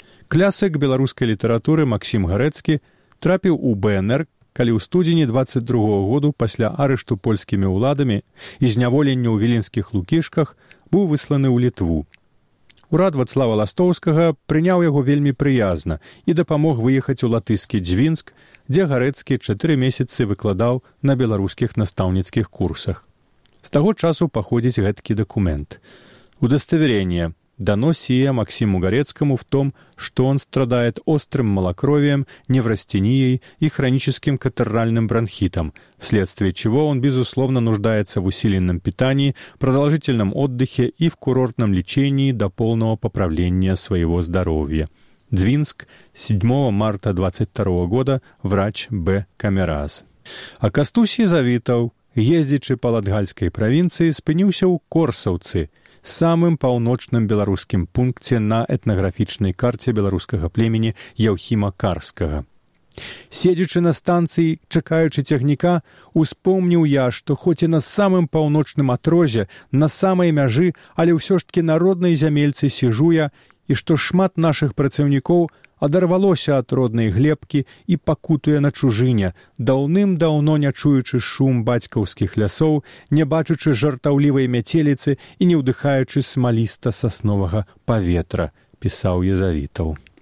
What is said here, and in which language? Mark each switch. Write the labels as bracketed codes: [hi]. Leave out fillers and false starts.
[be] Клясык беларускай літаратуры Максім Гарэцкі трапіў у БНР, калі ў студзені 22 году пасля арышту польскімі ўладамі і зняволення ў віленскіх лукішках быў высланы ў Літву. Урад Вацлава Ластоўскага прыняў яго вельмі прыязна і дапамог выехаць у латышскі Дзвінск, дзе Гарэцкі 4 месяцы выкладаў на беларускіх настаўніцкіх курсах. З таго часу паходзіць гэткі дакумент. [ru] Удаставерэнне даносіе Максіму Гарэцкаму в том, што он страдает острым малакровіем, неврастеніяй і хранічыскім катаральным бранхітам, вследствие чего он, безусловно, нуждается в усиленном питании, продолжительном отдыхе і в курортном лечении до полного поправления своего здоровья. Дзвінск, 7 марта 22 года, врач Б. Камераз. [be] А Кастусі Завітаў, ездзячы па Латгальскай правінцыі, спыніўся ў Корсаўцы, самым паўночным беларускім пункце на этнаграфічнай карце беларускага племені Яўхіма Карскага. Седзячы на станцыі, чакаючы цягніка, успомніў я, што хоць і на самым паўночным атрозе, на самай мяжы, але ўсё ж такі на роднай зямельцы сіжу я, і што шмат нашых працаўнікоў адарвалося ад роднай глебкі і пакутуе на чужыне, даўным-даўно не чуючы шум бацькаўскіх лясоў, не бачучы жартаўлівай мяцеліцы і не ўдыхаючы смаліста сасновага паветра, пісаў Езавітаў.